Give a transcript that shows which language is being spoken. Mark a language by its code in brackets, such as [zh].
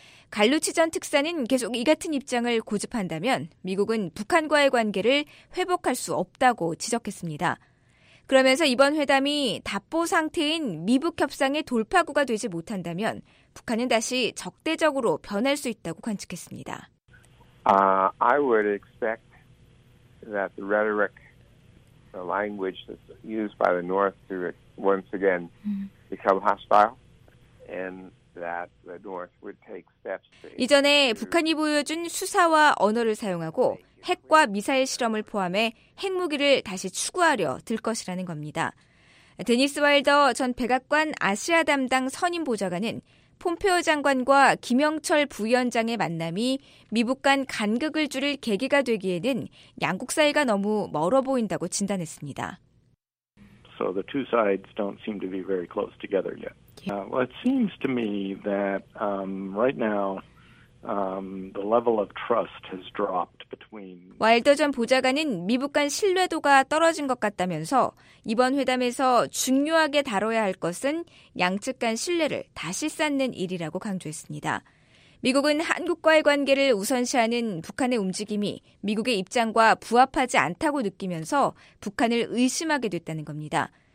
[ko] 갈루치 전 특사는 계속 이 같은 입장을 고집한다면 미국은 북한과의 관계를 회복할 수 없다고 지적했습니다. 그러면서 이번 회담이 답보 상태인 미북 협상의 돌파구가 되지 못한다면 북한은 다시 적대적으로 변할 수 있다고 관측했습니다. [en] I would expect that the rhetoric, the language that's used by the North to once again become hostile, and that the North would take steps. [ko] 이전에 북한이 보여준 수사와 언어를 사용하고 핵과 미사일 실험을 포함해 핵무기를 다시 추구하려 들 것이라는 겁니다. 데니스 와일더 전 백악관 아시아 담당 선임 보좌관은. 폼페오 장관과 김영철 부위원장의 만남이 미북 간 간극을 줄일 계기가 되기에는 양국 사이가 너무 멀어 보인다고 진단했습니다. [en] So the two sides don't seem to be very close together yet. Well, it seems to me that right now the level of trust has dropped between [ko] 와일더 전 보좌관은 미북 간 신뢰도가 떨어진 것 같다면서 이번 회담에서 중요하게 다뤄야 할 것은 양측 간 신뢰를 다시 쌓는 일이라고 강조했습니다. 미국은 한국과의 관계를 우선시하는 북한의 움직임이 미국의 입장과 부합하지 않다고 느끼면서 북한을 의심하게 됐다는 겁니다.